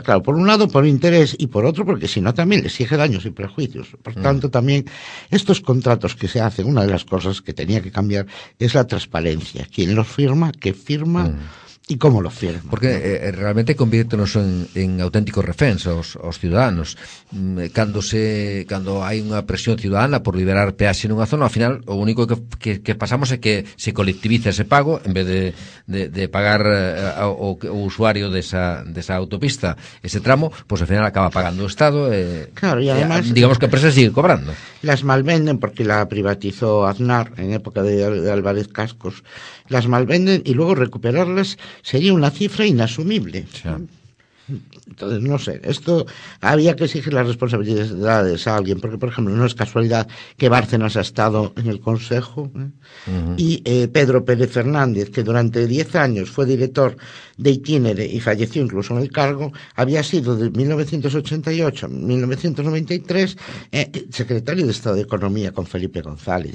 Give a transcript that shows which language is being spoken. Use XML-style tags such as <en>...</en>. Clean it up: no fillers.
<es>Claro, por un lado por interés y por otro porque si no también le exige daños y prejuicios. Por tanto, también estos contratos que se hacen, una de las cosas que tenía que cambiar es la transparencia. ¿Quién los firma? ¿Qué firma? ¿Y cómo lo firma?</es> <gl>Porque realmente conviértenos en auténticos reféns aos ciudadanos. Cando hai unha presión ciudadana por liberar peaxe nunha zona, ao final, o único que pasamos é que se colectivice ese pago en vez de pagar o usuario desa autopista ese tramo, pues ao final acaba pagando o Estado.</gl> <es>Claro, y además,</es> <gl>digamos que a empresa sigue cobrando.</gl> <es>Las malvenden porque la privatizó Aznar en época de Álvarez Cascos. Las malvenden y luego recuperarlas sería una cifra inasumible. Sí. Entonces, no sé, esto había que exigir las responsabilidades a alguien, porque, por ejemplo, no es casualidad que Bárcenas ha estado en el Consejo y Pedro Pérez Fernández, que durante 10 años fue director de Itinere y falleció incluso en el cargo, había sido de 1988 a 1993 secretario de Estado de Economía con Felipe González.</es>